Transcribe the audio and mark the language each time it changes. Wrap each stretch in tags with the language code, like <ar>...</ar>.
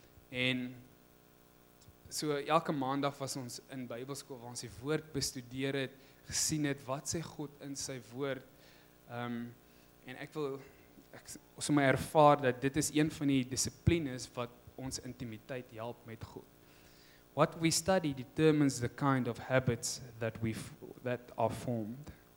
<af>En so elke maandag was ons in Bybelskool waar ons die woord bestudeer het, gesien het, wat sê God in sy woord. En ek so my ervaar dat dit is een van die disciplines wat ons intimiteit help met God.</af> <en>What we study determines the kind of habits that are formed.</en>